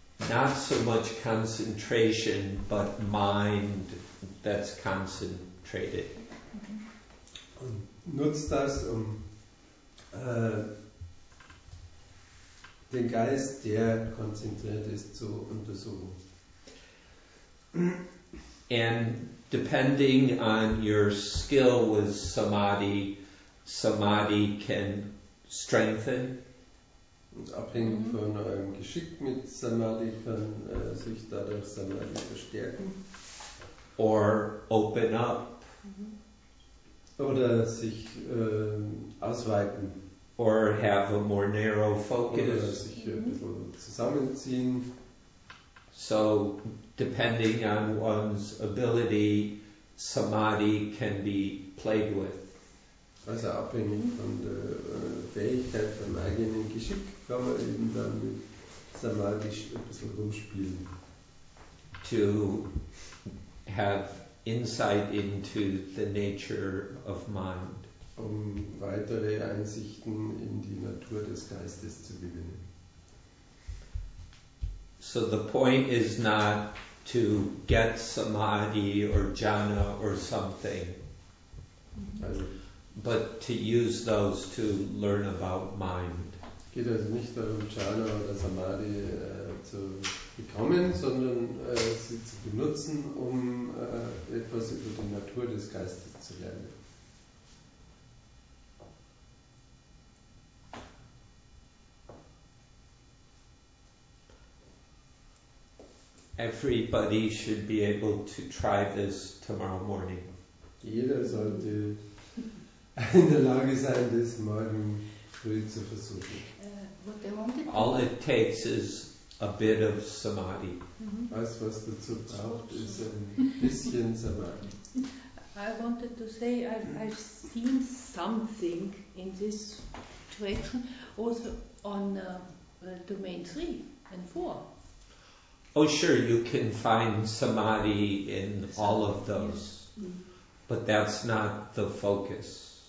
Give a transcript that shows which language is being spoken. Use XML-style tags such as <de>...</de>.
<en>not so much concentration, but mind that's concentrated.</en> <de>Und nutzt das, um den Geist, der konzentriert ist, zu untersuchen.</de> <en>And depending on your skill with Samadhi, Samadhi can strengthen.</en> <de>Und abhängig von eurem Geschick mit Samadhi kann sich dadurch Samadhi verstärken.</de> <en>Or open up.</en> <de>Oder sich ausweiten.</de> <en>Or have a more narrow focus.</en> <de>Oder sich ein bisschen zusammenziehen.</de> <en>So, depending on one's ability, Samadhi can be played with.</en> <de>Also abhängig von der Fähigkeit, vom eigenen Geschick, kann man eben dann mit Samadhi ein bisschen rumspielen.</de> <en>To have insight into the nature of mind.</en> <de>Um weitere Einsichten in die Natur des Geistes zu gewinnen.</de> <en>So the point is not to get Samadhi or Jhana or something, but to use those to learn about mind.</en> <de>Es geht also nicht darum, Jhana oder Samadhi zu bekommen, sondern sie zu benutzen, um etwas über die Natur des Geistes zu lernen.</de> <en>Everybody should be able to try this tomorrow morning.</en> <de>Jeder sollte in der Lage sein, das morgen früh zu versuchen.</de> <en>All it takes is a bit of samadhi.</en> <de>Alles, was dazu braucht, ist ein bisschen samadhi.</de> <en>I wanted to say I've seen something in this direction also on domain 3 and 4. Oh sure, you can find samadhi in all of those, but that's not the focus.</en>